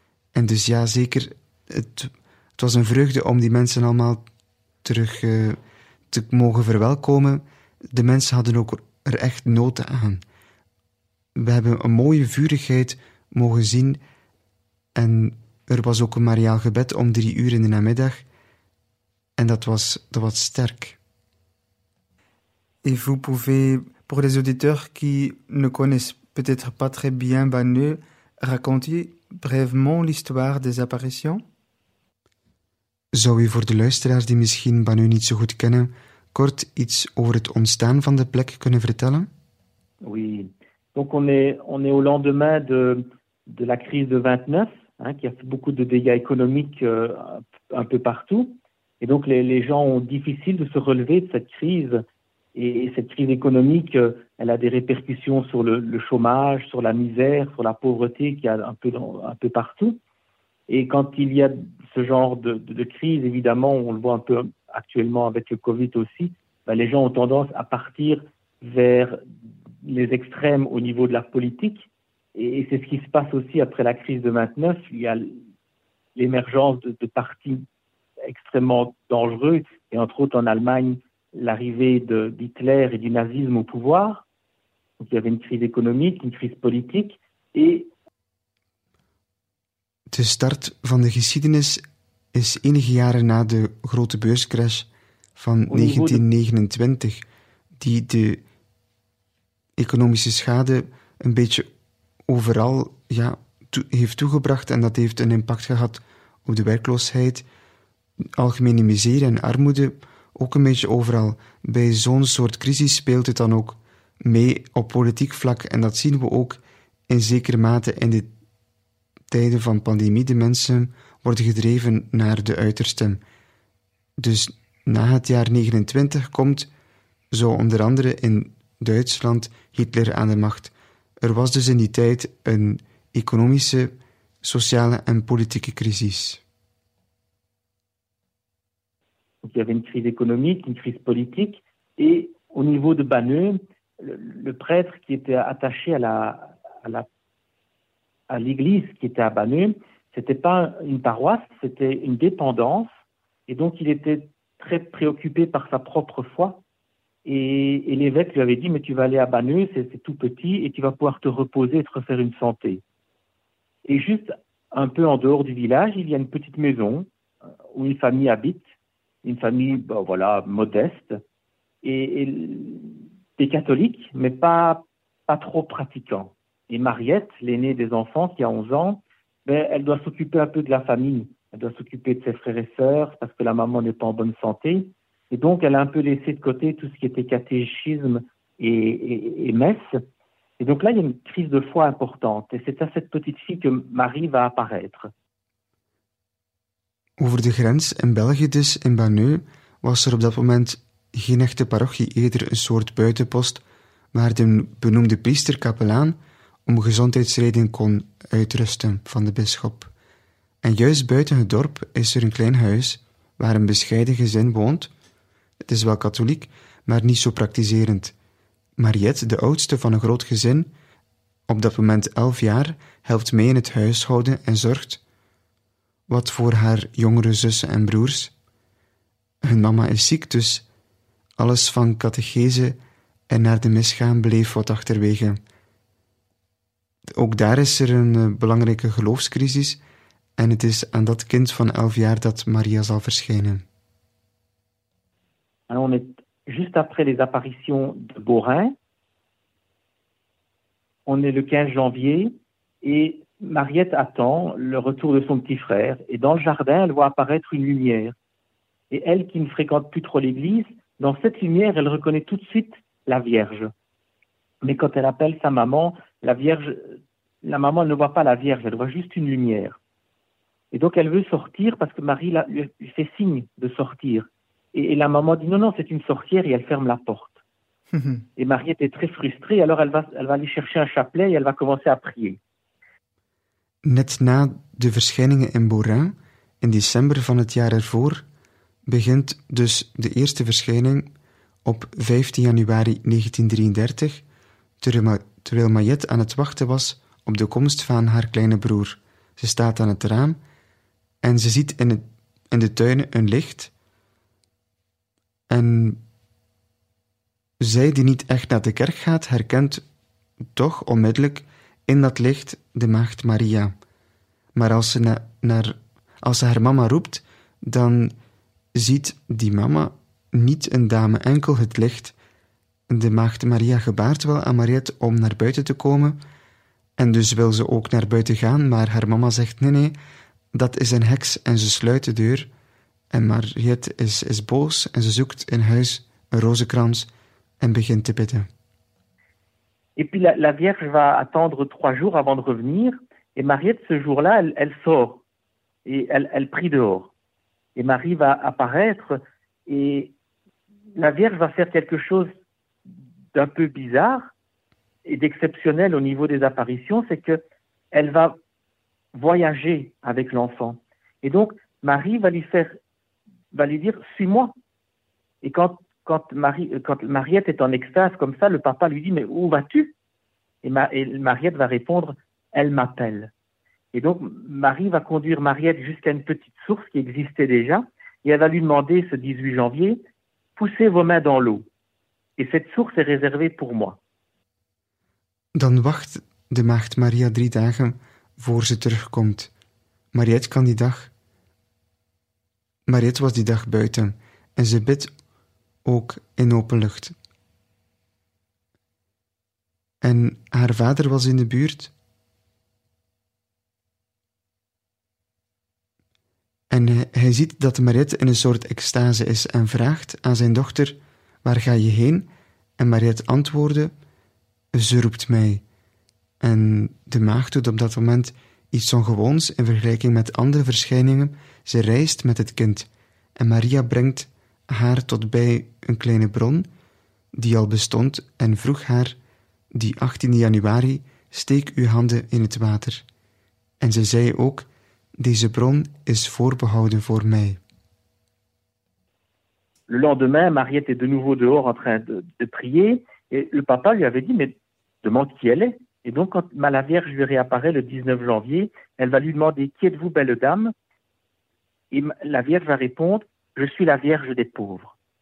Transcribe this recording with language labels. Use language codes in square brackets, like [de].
[nl] En dus ja, zeker, het was een vreugde om die mensen allemaal terug te mogen verwelkomen. De mensen hadden ook er echt nood aan. We hebben een mooie vurigheid mogen zien en er was ook een mariaal gebed om 3 uur in de namiddag. En dat was sterk. [fr] Et vous pouvez, pour les auditeurs qui ne connaissent peut-être pas très bien Banneu, raconter brièvement l'histoire des apparitions? [nl] Zou u voor de luisteraars die misschien Banneu niet zo goed kennen, kort iets over het ontstaan van de plek kunnen vertellen? [fr] Oui, donc on est au lendemain de la crise de 29, hein, qui a fait beaucoup de dégâts économiques un peu partout. Et donc les gens ont difficile de se relever de cette crise. Et cette crise économique, elle a des répercussions sur le chômage, sur la misère, sur la pauvreté qu'il y a un peu partout. Et quand il y a ce genre de crise, évidemment, on le voit un peu actuellement avec le Covid aussi, les gens ont tendance à partir vers les extrêmes au niveau de la politique. Et c'est ce qui se passe aussi après la crise de 29. Il y a l'émergence de partis extrêmement dangereux, et entre autres en Allemagne, l'arrivée d'Hitler et du nazisme au pouvoir. Donc, il y avait une crise économique, une crise politique. Et [nl] de start van de geschiedenis is enige jaren na de grote beurscrash van 1929, die de economische schade een beetje overal heeft toegebracht en dat heeft een impact gehad op de werkloosheid, algemene miserie en armoede, ook een beetje overal. Bij zo'n soort crisis speelt het dan ook mee op politiek vlak. En dat zien we ook in zekere mate in de tijden van pandemie. De mensen worden gedreven naar de uitersten. Dus na het jaar 29 komt, zo onder andere in Duitsland, Hitler aan de macht. Er was dus in die tijd een economische, sociale en politieke crisis. [fr] Il y avait une crise économique, une crise politique, et au niveau de Banneux, le prêtre qui était attaché à l'église qui était à Banneux, c'était pas une paroisse, c'était une dépendance, et donc il était très préoccupé par sa propre foi. Et l'évêque lui avait dit, mais tu vas aller à Banneux, c'est tout petit, et tu vas pouvoir te reposer et te refaire une santé. Et juste un peu en dehors du village, il y a une petite maison où une famille habite, une famille modeste, et des catholiques, mais pas trop pratiquants. Et Mariette, l'aînée des enfants, qui a 11 ans, elle doit s'occuper un peu de la famille. Elle doit s'occuper de ses frères et sœurs, parce que la maman n'est pas en bonne santé. Et donc, elle a un peu laissé de côté tout ce qui était catéchisme et messe. Et donc là, il y a une crise de foi importante. Et c'est à cette petite fille que Marie va apparaître. [nl] Over de grens in België dus, in Banneux, was er op dat moment geen echte parochie, eerder een soort buitenpost, waar de benoemde priester-kapelaan om gezondheidsreden kon uitrusten van de bisschop. En juist buiten het dorp is er een klein huis waar een bescheiden gezin woont. Het is wel katholiek, maar niet zo praktiserend. Mariette, de oudste van een groot gezin, op dat moment 11 jaar, helpt mee in het huishouden en zorgt wat voor haar jongere zussen en broers. Hun mama is ziek, dus alles van catechese en naar de mis gaan bleef wat achterwege. Ook daar is er een belangrijke geloofscrisis en het is aan dat kind van 11 jaar dat Maria zal verschijnen. [fr] Alors on est juste après les apparitions de Borin. On est le 15 janvier et Mariette attend le retour de son petit frère. Et dans le jardin, elle voit apparaître une lumière. Et elle, qui ne fréquente plus trop l'église, dans cette lumière, elle reconnaît tout de suite la Vierge. Mais quand elle appelle sa maman, la maman elle ne voit pas la Vierge, elle voit juste une lumière. Et donc elle veut sortir parce que Marie lui fait signe de sortir. Et la maman dit « Non, non, c'est une sorcière » et elle ferme la porte. Et Mariette est très frustrée, alors elle va aller chercher un chapelet et elle va commencer à prier. [nl] Net na de verschijningen in Borin, in december van het jaar ervoor, begint dus de eerste verschijning op 15 januari 1933, terwijl Mariette aan het wachten was op de komst van haar kleine broer. Ze staat aan het raam en ze ziet in de tuin een licht. En zij die niet echt naar de kerk gaat, herkent toch onmiddellijk in dat licht de maagd Maria. Maar als ze haar mama roept, dan ziet die mama niet een dame, enkel het licht. De maagd Maria gebaart wel aan Mariette om naar buiten te komen. En dus wil ze ook naar buiten gaan, maar haar mama zegt nee, dat is een heks en ze sluit de deur. En Mariette is boos en ze zoekt in huis een rozenkrans en begint te bidden. [fr] Et puis la Vierge va attendre 3 jours avant de revenir. Et Mariette, ce jour-là, elle sort et elle prie dehors. Et Marie va apparaître et la Vierge va faire quelque chose d'un peu bizarre et d'exceptionnel au niveau des apparitions, c'est que elle va voyager avec l'enfant. Et donc Marie va lui dire « Suis-moi ». Et quand Mariette est en extase comme ça, le papa lui dit « Mais où vas-tu ?» Et Mariette va répondre « Elle m'appelle ». Et donc, Marie va conduire Mariette jusqu'à une petite source qui existait déjà, et elle va lui demander ce 18 janvier « Poussez vos mains dans l'eau, et cette source est réservée pour moi ». [nl] Dan wacht de maagd Maria 3 dagen voor ze terugkomt. Mariette kan die dag... Mariette was die dag buiten en ze bidt ook in open lucht. En haar vader was in de buurt. En hij ziet dat Mariette in een soort extase is en vraagt aan zijn dochter, waar ga je heen? En Mariette antwoordde, ze roept mij. En de maagd doet op dat moment iets ongewoons in vergelijking met andere verschijningen. Ze reist met het kind en Maria brengt haar tot bij een kleine bron die al bestond en vroeg haar, die 18 januari, steek uw handen in het water. En ze zei ook, deze bron is voorbehouden voor mij. [fr] Le lendemain, Mariette est de nouveau dehors en train de prier. Et le papa lui avait dit, mais demande qui elle est. Et donc, quand la Vierge lui réapparaît le 19 janvier, elle va lui demander, qui êtes-vous, belle dame? Et la Vierge va répondre, je suis la Vierge des pauvres.